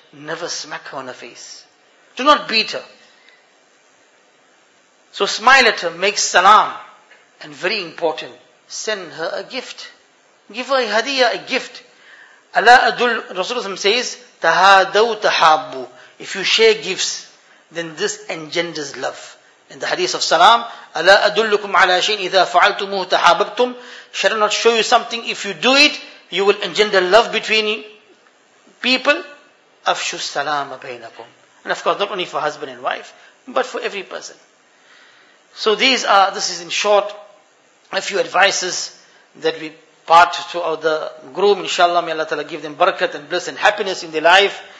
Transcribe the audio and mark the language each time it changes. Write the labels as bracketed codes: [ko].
[en] Never smack her on her face. Do not beat her. So smile at her, make salam. And very important, send her a gift. Give her a hadiyah, a gift. Allah Adul Rasulullah says, [ar] تَهَادَوْ تَحَابُّ. [en] If you share gifts, then this engenders love. In the hadith of salam, [ar] أَلَّا أَدُلُّكُمْ عَلَىٰ شَيْءٍ إِذَا فَعَلْتُمُهُ تَحَابَبْتُمْ. [en] Shall I not show you something? If you do it, you will engender love between you. People, [ar] afshu salama baynakum. [en] And of course, not only for husband and wife, but for every person. So these are, this is in short, a few advices that we part to the groom, inshallah, may Allah Ta'ala give them barakat and bliss and happiness in their life.